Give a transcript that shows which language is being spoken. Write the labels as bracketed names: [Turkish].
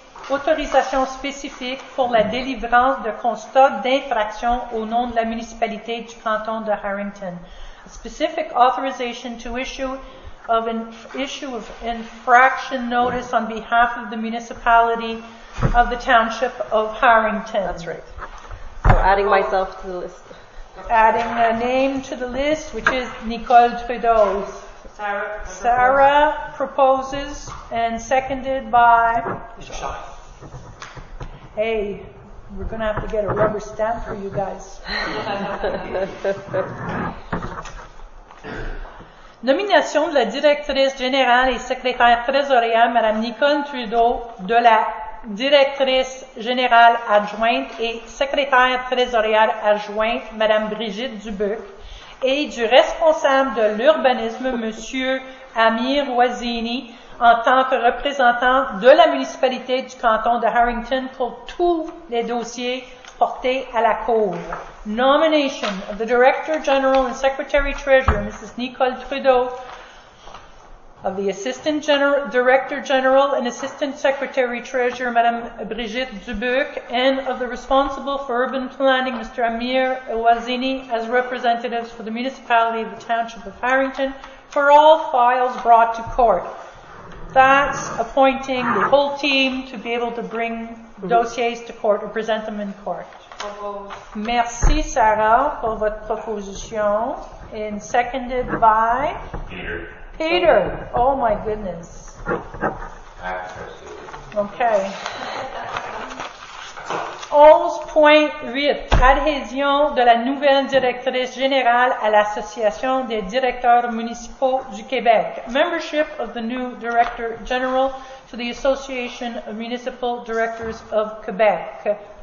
[French] Autorisation spécifique pour la délivrance de constats d'infraction au nom de la municipalité du canton de Harrington. [English] A specific authorization to issue of infraction notice on behalf of the municipality of the township of Harrington. That's right. So adding myself to the list. adding a name to the list, which is Nicole Trudeau. Sarah proposes and seconded by Shy. Hey, we're going to have to get a rubber stamp for you guys. [French] Nomination de la directrice générale et secrétaire trésorière, Mme Nicole Trudeau, de la directrice générale adjointe et secrétaire trésorière adjointe, Mme Brigitte Dubuc, et du responsable de l'urbanisme, M. Amir Wazini, en tant que représentant de la municipalité du canton de Harrington pour tous les dossiers portés à la Cour. [English] Nomination of the Director General and Secretary Treasurer, Mrs. Nicole Trudeau, of the Assistant Director General and Assistant Secretary Treasurer, Madame Brigitte Dubuc, and of the Responsible for Urban Planning, Mr. Amir Wazini, as representatives for the Municipality of the Township of Harrington, for all files brought to court. That's appointing the whole team to be able to bring dossiers to court or present them in court. [French] Merci, Sarah, pour votre proposition. [English] And seconded by? Peter. Oh, my goodness. Okay. 11.8. [French] Adhésion de la nouvelle directrice générale à l'Association des directeurs municipaux du Québec. [English] Membership of the new director general to the Association of Municipal Directors of Quebec.